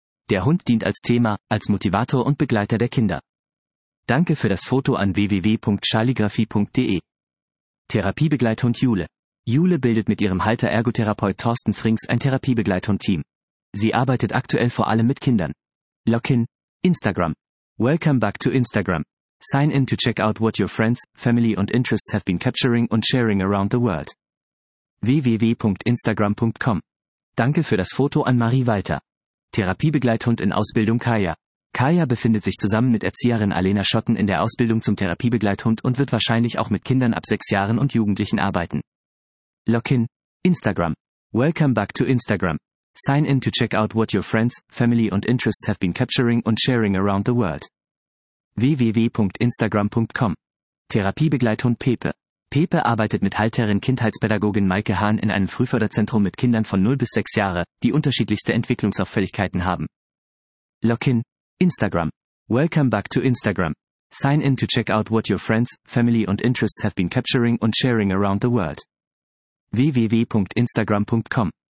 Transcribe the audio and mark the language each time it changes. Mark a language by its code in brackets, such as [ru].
[de] Der Hund dient als Thema, als Motivator und Begleiter der Kinder. Danke für das Foto an www.charligraphie.de. Therapiebegleithund Jule. Jule bildet mit ihrem Halter Ergotherapeut Thorsten Frings ein Therapiebegleithund-Team. Sie arbeitet aktuell vor allem mit Kindern. [en] Login. Instagram. Welcome back to Instagram. Sign in to check out what your friends, family and interests have been capturing and sharing around the world. www.instagram.com. [de] Danke für das Foto an Marie Walter. Therapiebegleithund in Ausbildung Kaya. Kaya befindet sich zusammen mit Erzieherin Alena Schotten in der Ausbildung zum Therapiebegleithund und wird wahrscheinlich auch mit Kindern ab 6 Jahren und Jugendlichen arbeiten. [en] Login. Instagram. Welcome back to Instagram. Sign in to check out what your friends, family and interests have been capturing and sharing around the world. www.instagram.com. [de] Therapiebegleithund Pepe. Pepe arbeitet mit Halterin Kindheitspädagogin Maike Hahn in einem Frühförderzentrum mit Kindern von 0 bis 6 Jahre, die unterschiedlichste Entwicklungsauffälligkeiten haben. [en] Login. Instagram. Welcome back to Instagram. Sign in to check out what your friends, family and interests have been capturing and sharing around the world. www.instagram.com.